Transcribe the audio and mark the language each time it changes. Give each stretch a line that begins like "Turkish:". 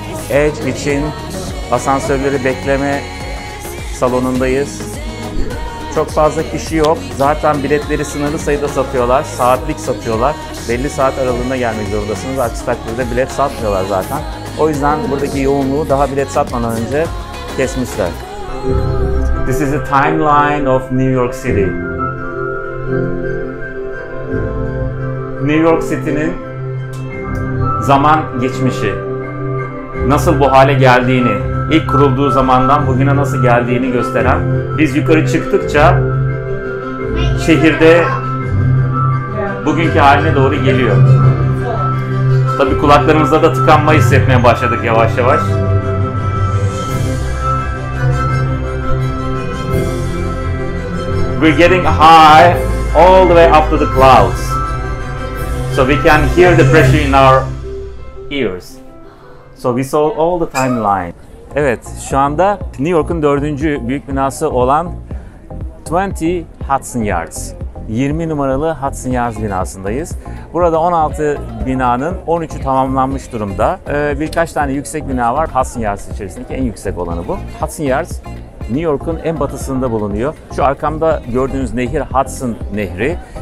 Turkish: Edge için asansörleri bekleme salonundayız. Çok fazla kişi yok. Zaten biletleri sınırlı sayıda satıyorlar. Saatlik satıyorlar. Belli saat aralığında gelmek zorundasınız. Aksi takdirde bilet satmıyorlar zaten. O yüzden buradaki yoğunluğu daha bilet satmadan önce kesmişler.
English: This is the timeline of New York City.
Turkish: New York City'nin zaman geçmişi. Nasıl bu hale geldiğini, ilk kurulduğu zamandan bugüne nasıl geldiğini gösteren, biz yukarı çıktıkça şehirde bugünkü haline doğru geliyor. Tabii kulaklarımızda da tıkanma hissetmeye başladık yavaş yavaş.
English: We're getting high all the way up to the clouds. So we can hear the pressure in our ears. So we saw all the timeline.
Turkish: Evet, şu anda New York'un 4. büyük binası olan 20 Hudson Yards. 20 numaralı Hudson Yards binasındayız. Burada 16 binanın 13'ü tamamlanmış durumda. Birkaç tane yüksek bina var. Hudson Yards içerisindeki en yüksek olanı bu. Hudson Yards New York'un en batısında bulunuyor. Şu arkamda gördüğünüz nehir Hudson Nehri.